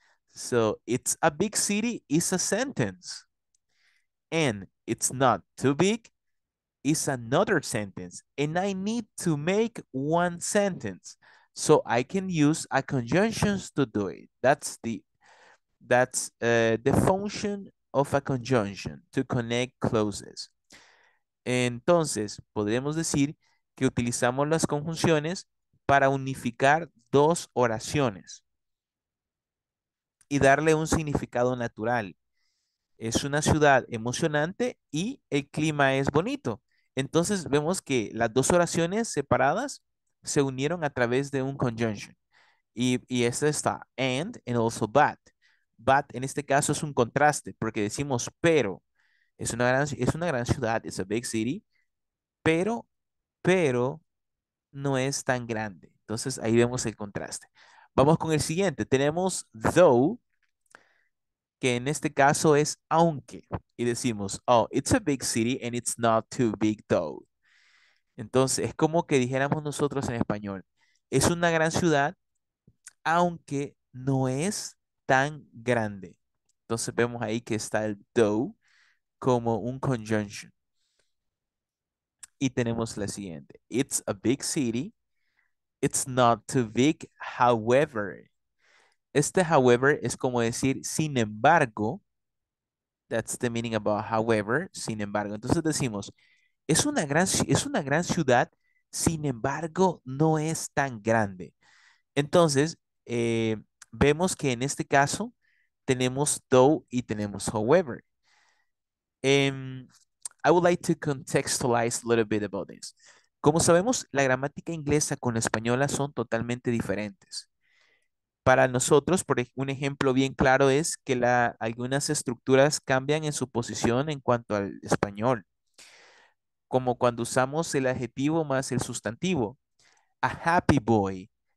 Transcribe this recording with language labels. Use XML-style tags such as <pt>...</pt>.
<en>So it's a big city is a sentence. And it's not too big is another sentence. And I need to make one sentence. So I can use a conjunction to do it. That's the function of a conjunction, to connect clauses.</en> <es>Entonces, podemos decir que utilizamos las conjunciones para unificar dos oraciones y darle un significado natural. Es una ciudad emocionante y el clima es bonito. Entonces vemos que las dos oraciones separadas se unieron a través de un conjunction. Y esta está and and also but. But en este caso es un contraste porque decimos pero. Es una gran ciudad,</es> <en>it's a big city,</en> <es>pero no es tan grande. Entonces, ahí vemos el contraste. Vamos con el siguiente. Tenemos though, que en este caso es aunque. Y decimos,</es> <en>oh, it's a big city and it's not too big though.</en> <es>Entonces, es como que dijéramos nosotros en español. Es una gran ciudad, aunque no es tan grande. Entonces, vemos ahí que está el though como un conjunction. Y tenemos la siguiente.</es> <en>It's a big city. It's not too big, however.</en> <es>Este however es como decir sin embargo.</es> <en>That's the meaning about however.</en> <es>Sin embargo. Entonces decimos, es una gran ciudad. Sin embargo, no es tan grande. Entonces, vemos que en este caso tenemos though y tenemos however.</es> <en>I would like to contextualize a little bit about this.</en> <es>Como sabemos, la gramática inglesa con la española son totalmente diferentes. Para nosotros, por un ejemplo bien claro es que algunas estructuras cambian en su posición en cuanto al español. Como cuando usamos el adjetivo más el sustantivo.</es> <en>A happy boy.</en>